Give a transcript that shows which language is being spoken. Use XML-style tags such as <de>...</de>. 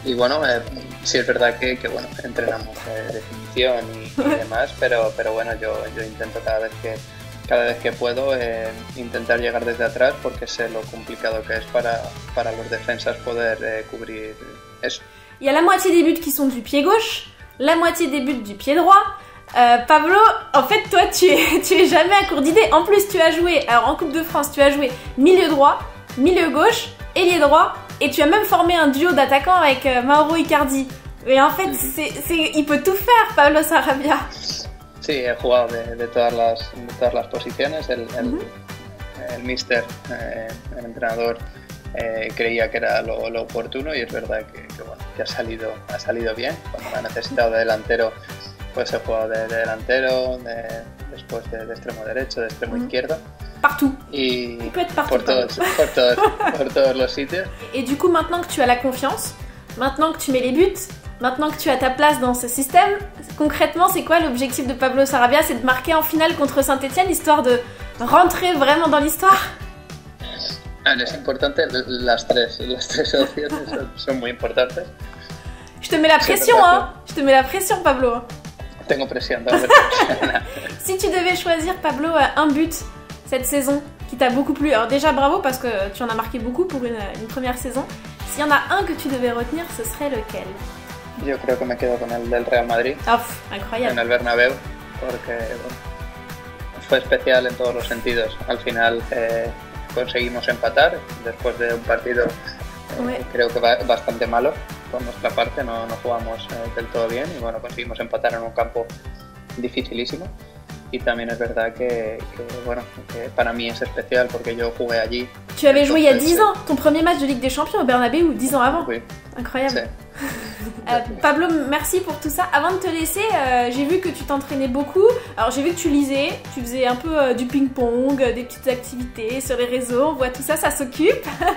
<es>Y bueno, sí es verdad que bueno, entrenamos definición y demás, pero bueno, yo intento cada vez que puedo intentar llegar desde atrás porque sé lo complicado que es para los defensas poder cubrir eso.</es> <fr>Y a la moitié des buts qui sont du pied gauche, la moitié des buts du pied droit. Pablo, en fait, toi, tu es jamais à court d'idées. En plus, tu as joué, alors en Coupe de France, tu as joué milieu droit, milieu gauche, ailier droit, et tu as même formé un duo d'attaquants avec Mauro Icardi. Mais en fait, c'est, il peut tout faire, Pablo Sarabia.</fr> <es>Sí, he jugado de todas las posiciones. El mister, el entrenador, creía que era lo oportuno, y es verdad que bueno, que ha salido bien. Cuando ha necesitado de delantero, pues he jugado de delantero, después de extremo derecho, de extremo izquierdo.</es> <fr>Partout.</fr> <es>Y por todos los sitios.</es> <fr>Et du coup, maintenant que tu as la confiance, maintenant que tu mets les buts, maintenant que tu as ta place dans ce système, concrètement, c'est quoi l'objectif de Pablo Sarabia? C'est de marquer en finale contre Saint-Étienne, histoire de rentrer vraiment dans l'histoire?</fr> <es>Es importante, las tres opciones son muy importantes.</es> <fr>Je te mets la pression, hein. Je te mets la pression, Pablo.</fr> <es>Tengo presión.</es> <fr>Si tu devais choisir, Pablo, un but cette saison qui t'a beaucoup plu, alors déjà bravo parce que tu en as marqué beaucoup pour une première saison. S'il y en a un que tu devais retenir, ce serait lequel?</fr> <es>Yo creo que me quedo con el del Real Madrid.</es> <fr>Oh, incroyable.</fr> <es>En el Bernabéu, porque bueno, fue especial en todos los sentidos. Al final conseguimos empatar después de un partido creo que bastante malo. Por nuestra parte no jugamos del todo bien y bueno, conseguimos empatar en un campo dificilísimo. Y también es verdad que bueno, que para mí es especial porque yo jugué allí.</es> <fr>Tu avais joué il y a 10 ans, ton premier match de Ligue des Champions au Bernabéu, 10 ans avant. Oui. Incroyable. Pablo, merci pour tout ça. Avant de te laisser, j'ai vu que tu t'entraînais beaucoup. Alors j'ai vu que tu lisais, tu faisais un peu du ping-pong, des petites activités sur les réseaux, on voit tout ça, ça s'occupe.</fr>